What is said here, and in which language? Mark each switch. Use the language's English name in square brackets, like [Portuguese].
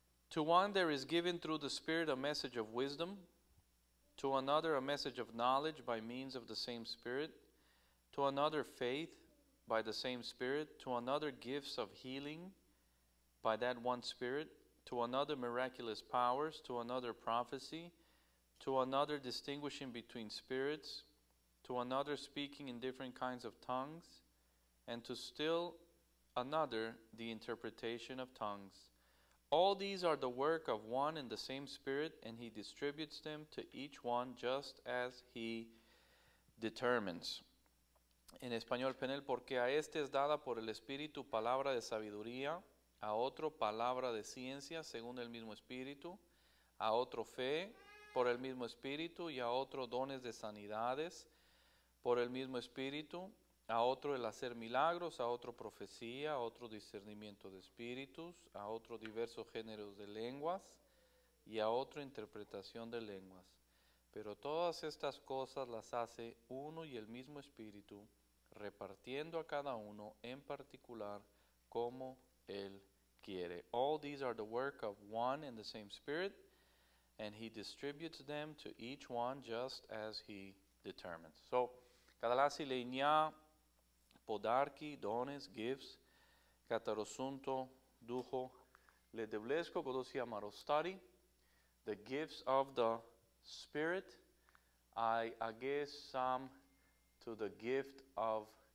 [English] To one there is given through the Spirit a message of wisdom, to another a message of knowledge by means of the same Spirit, to another faith by the same Spirit, to another gifts of healing by that one Spirit, to another miraculous powers, to another prophecy, to another distinguishing between spirits, to another speaking in different kinds of tongues, and to still another the interpretation of tongues. All these are the work of one and the same Spirit, and He distributes them to each one just as He determines. [Spanish] En español, Penel, porque a este es dada por el Espíritu palabra de sabiduría, a otro palabra de ciencia según el mismo Espíritu, a otro fe por el mismo Espíritu, y a otro dones de sanidades por el mismo Espíritu, a otro el hacer milagros, a otro profecía, a otro discernimiento de espíritus, a otro diversos géneros de lenguas y a otro interpretación de lenguas. Pero todas estas cosas las hace uno y el mismo Espíritu, repartiendo a cada uno en particular como Él quiere. [English] All these are the work of one and the same Spirit, and He distributes them to each one just as He determines. So, kadalasi leinia podarki dones gifts katarosunto duho le devlesko kodosi amarostari the gifts of the Spirit I guess some to the gift of